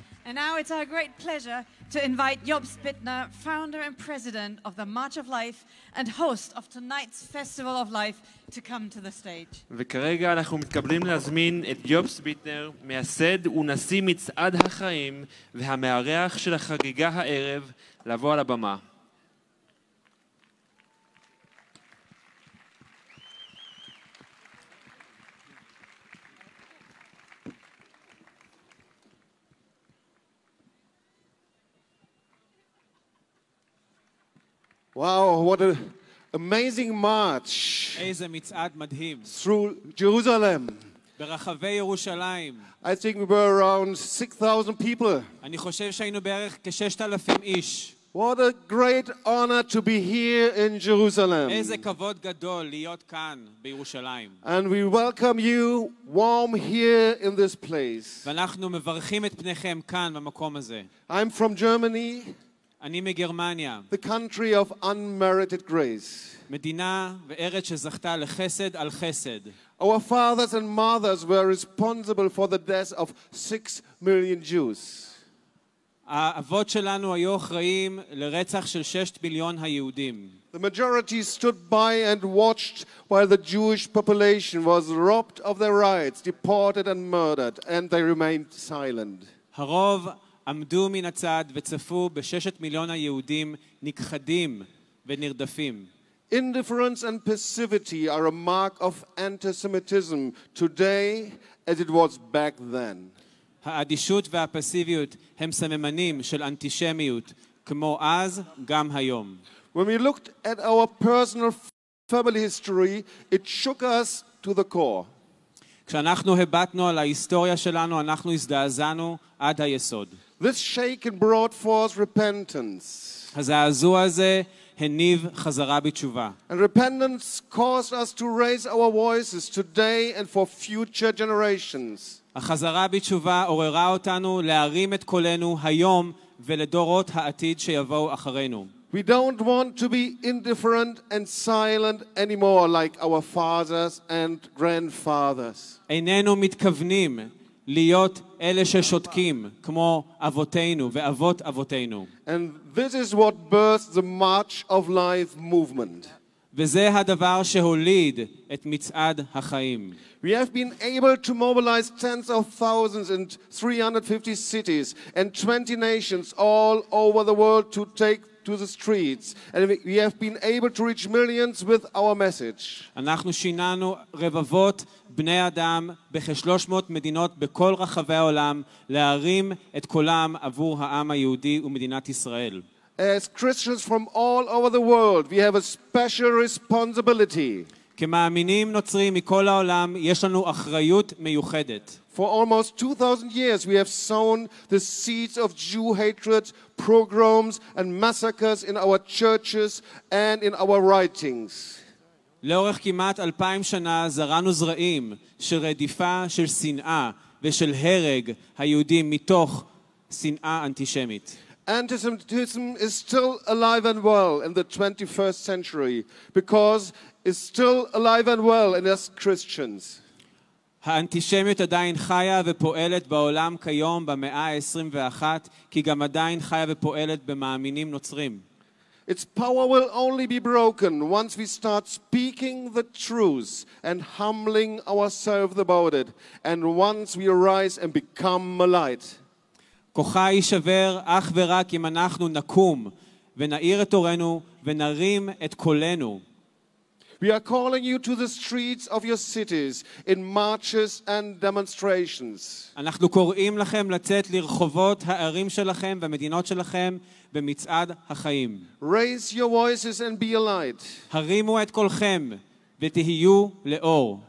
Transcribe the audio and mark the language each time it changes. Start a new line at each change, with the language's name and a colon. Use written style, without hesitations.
English: And now it's our great pleasure to invite Job Spitner, founder and president of the March of Life and host of tonight's Festival of Life, to come to the stage.
Hebrew: וכרגע אנחנו מתקבלים להזמין את יוב ספיטנר, מייסד ונשיא מצעד החיים והמארח של החגיגה הערב, לבוא על הבמה.
English: Wow, what an amazing march.
Hebrew: איזה מצעד מדהים.
English: Through Jerusalem.
Hebrew: ברחבי ירושלים.
English: I think we were around 6,000 people.
Hebrew: אני חושב שהיינו בערך כ-6,000 איש.
English: What a great honor to be here in Jerusalem.
Hebrew: איזה כבוד גדול להיות כאן בירושלים.
English: And we welcome you warm here in this place.
Hebrew: ואנחנו מברכים את פניכם כאן במקום הזה.
English: I'm from Germany.
Hebrew: אני מגרמניה.
English: The country of unmerited grace.
Hebrew: מדינה וארץ שזכתה לחסד על חסד.
English: Our fathers and mothers were responsible for the death of 6 million Jews.
Hebrew: האבות שלנו היו אחראים לרצח של 6 מיליון היהודים.
English: The majority stood by and watched while the Jewish population was robbed of their rights, deported and murdered, and they remained silent.
Hebrew: הרוב עמדו מן הצד וצפו בששת מיליון היהודים נכחדים ונרדפים.
English: Indifference and passivity are a mark of antisemitism today as it was back then.
Hebrew: האדישות והפסיביות הם סממנים של אנטישמיות כמו אז גם היום.
English: When we looked at our personal family history, it shook us to the core.
Hebrew: כשאנחנו הבטנו על ההיסטוריה שלנו, אנחנו הזדעזענו עד היסוד.
English: This shaken brought forth repentance.
Hebrew: הזעזוע הזה הניב חזרה בתשובה.
English: And repentance caused us to raise our voices today and for future generations.
Hebrew: החזרה בתשובה עוררה אותנו להרים את קולנו היום ולדורות העתיד שיבואו אחרינו.
English: We don't want to be indifferent and silent anymore like our fathers and grandfathers.
Hebrew: איננו מתכוונים להיות אלה ששותקים כמו אבותינו ואבות אבותינו.
English: And this is what birthed the March of Life movement.
Hebrew: וזה הדבר שהוליד את מצעד החיים.
English: We have been able to mobilize tens of thousands in 350 cities and 20 nations all over the world to take to the streets and we have been able to reach millions with our message.
Hebrew: אנחנו שינינו רבבות בני אדם בכ-300 מדינות בכל רחבי העולם להרים את קולם עבור העם היהודי ומדינת ישראל.
English: As Christians from all over the world, we have a special responsibility.
Hebrew: כמאמינים נוצרים מכל העולם יש לנו אחריות מיוחדת.
English: For almost 2000 years we have sown the seeds of Jew hatred, pogroms and massacres in our churches and in our writings.
Hebrew: לאורך כמעט 2000 שנה זרענו זרעים של רדיפה, של שנאה ושל הרג היהודים מתוך שנאה אנטישמית.
English: Antisemitism is still alive and well in the 21st century because it's still alive and well in us Christians.
Hebrew: האנטישמיות עדיין חיה ופועלת בעולם כיום במאה ה-21 כי גם עדיין חיה ופועלת במאמינים נוצרים.
English: Its power will only be broken once we start speaking the truth and humbling ourselves about it and once we arise and become a light.
Hebrew: כוחה יישבר אך ורק אם אנחנו נקום ונעיר את אורנו ונרים את קולנו.
English: We are calling you to the streets of your cities in marches and demonstrations.
Hebrew: אנחנו קוראים לכם לצאת לרחובות הערים שלכם ומדינות שלכם במצעד החיים.
English: Raise your voices and be a light.
Hebrew: הרימו את קולכם ותהיו לאור.